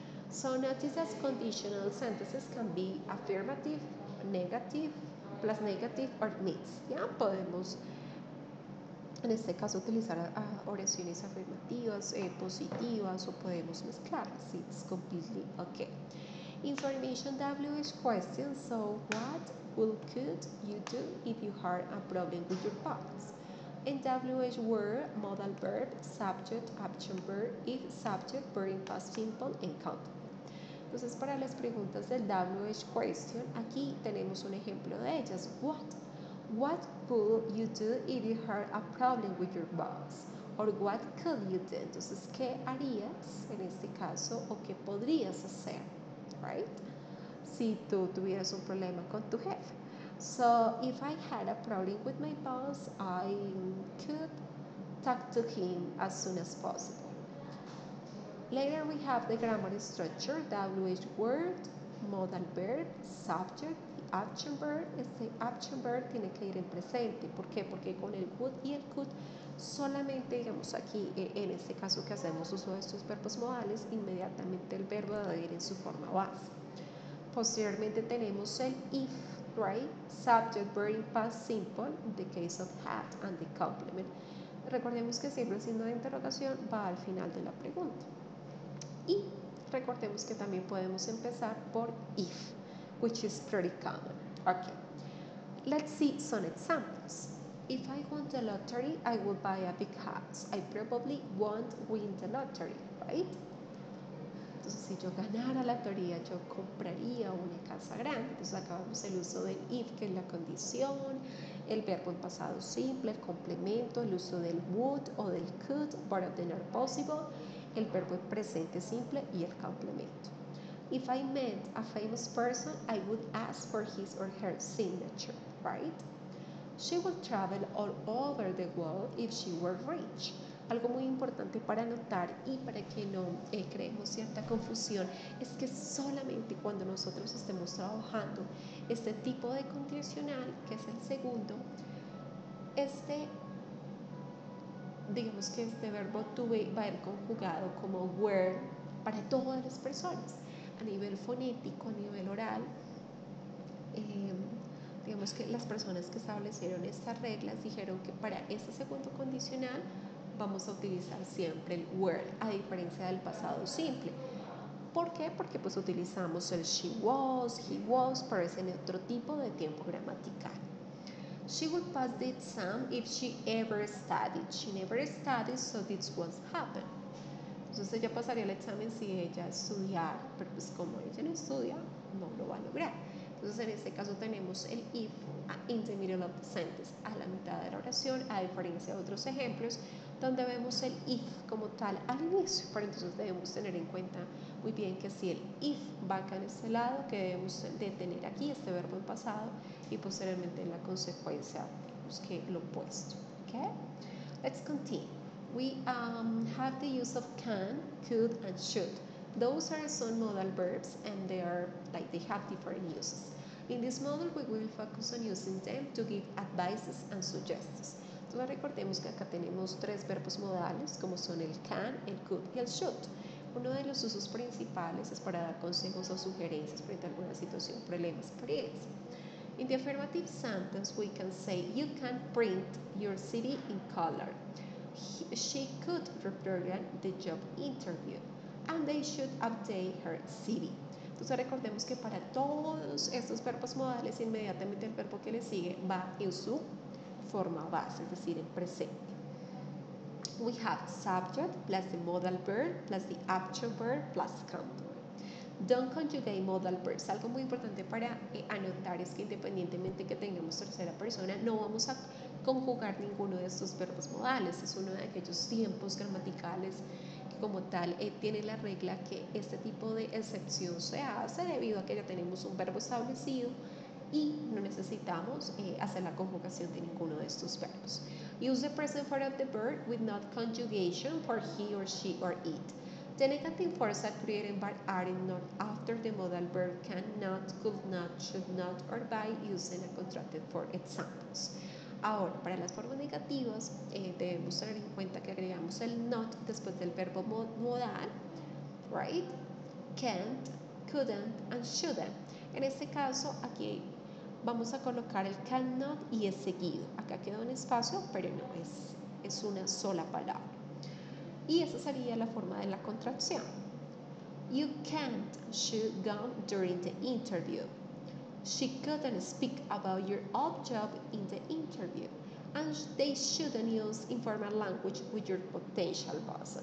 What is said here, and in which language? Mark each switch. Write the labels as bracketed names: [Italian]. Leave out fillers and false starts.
[English] So notice that conditional sentences can be affirmative, negative, plus negative, or mixed. [Spanish] Ya podemos En este caso, utilizar oraciones afirmativas, positivas, o podemos mezclarlas. [English] It's completely okay. Information W is question. So, what could you do if you had a problem with your parents? In WH word, modal verb, subject, action verb, if subject, verb in past simple, and countable. [Spanish] Entonces, para las preguntas del WH question, aquí tenemos un ejemplo de ellas. [English] What could you do if you had a problem with your boss? Or what could you do? [Spanish] Entonces, ¿qué harías en este caso o qué podrías hacer? [English] Right? [Spanish] Si tú tuvieras un problema con tu jefe. [English] So, if I had a problem with my boss, I could talk to him as soon as possible. Later we have the grammar structure, WH word, modal verb, subject, action verb. [Spanish] Este action verb tiene que ir en presente. ¿Por qué? Porque con el would y el could, solamente, digamos aquí, en este caso que hacemos uso de estos verbos modales, inmediatamente el verbo debe ir en su forma base. Posteriormente tenemos el if. [English] Right? Subject, verb, past simple, the case of had, and the complement. [Spanish] Recordemos que siempre el signo de interrogación va al final de la pregunta. Y recordemos que también podemos empezar por if, [English] which is pretty common. Okay. Let's see some examples. If I won the lottery, I would buy a big house. I probably won't win the lottery, right? [Spanish] Entonces, si yo ganara la lotería, yo compraría una casa grande. Entonces, acá vemos el uso del if, que es la condición, el verbo en pasado simple, el complemento, el uso del would o del could, [English] but of the not possible, [Spanish] el verbo en presente simple y el complemento. [English] If I met a famous person, I would ask for his or her signature, right? She would travel all over the world if she were rich. [Spanish] Algo muy importante para notar y para que no creemos cierta confusión es que solamente cuando nosotros estemos trabajando este tipo de condicional, que es el segundo, este, digamos que este verbo to be va a ir conjugado como were para todas las personas. A nivel fonético, a nivel oral, digamos que las personas que establecieron estas reglas dijeron que para este segundo condicional vamos a utilizar siempre el were, a diferencia del pasado simple. ¿Por qué? Porque pues utilizamos el she was, he was, pero es en otro tipo de tiempo gramatical. [English] She would pass the exam if she ever studied. She never studied, so this won't happen. [Spanish] Entonces ella pasaría el examen si ella estudiara, pero pues como ella no estudia, no lo va a lograr. Entonces en este caso tenemos el if [English] in the middle of the sentence, [Spanish] a la mitad de la oración, a diferencia de otros ejemplos, donde vemos el if como tal al inicio. Pero entonces debemos tener en cuenta muy bien que si el if va acá en este lado, que debemos de tener aquí este verbo en pasado y posteriormente en la consecuencia busque lo opuesto. [English] Okay? Let's continue. We have the use of can, could, and should. Those are some modal verbs and they are like they have different uses. In this model, we will focus on using them to give advices and suggestions. [Spanish] Entonces recordemos que acá tenemos tres verbos modales, como son el can, el could y el should. Uno de los usos principales es para dar consejos o sugerencias frente a alguna situación, problemas, experiencias. [English] In the affirmative sentence, we can say, you can print your CV in color. She could represent the job interview. And they should update her CV. [Spanish] Entonces recordemos que para todos estos verbos modales, inmediatamente el verbo que le sigue va en su forma base, es decir, en presente. [English] We have subject plus the modal verb plus the action verb plus complement. Don't conjugate modal verbs. [Spanish] Algo muy importante para anotar es que independientemente que tengamos tercera persona, no vamos a conjugar ninguno de estos verbos modales. Es uno de aquellos tiempos gramaticales que como tal tiene la regla que este tipo de excepción se hace debido a que ya tenemos un verbo establecido y no necesitamos hacer la conjugación de ninguno de estos verbos. [English] Use the present form of the verb with not conjugation for he or she or it. The negative forms are created by adding not after the modal verb can not, could not, should not, or by using a contracted for examples. [Spanish] Ahora, para las formas negativas, debemos tener en cuenta que agregamos el not después del verbo modal, [English] right? Can't, couldn't, and shouldn't. [Spanish] En este caso, aquí vamos a colocar el cannot y es seguido. Acá queda un espacio, pero no es es una sola palabra. Y esa sería la forma de la contracción. [English] You can't chew gum during the interview. She couldn't speak about your odd job in the interview. And they shouldn't use informal language with your potential boss.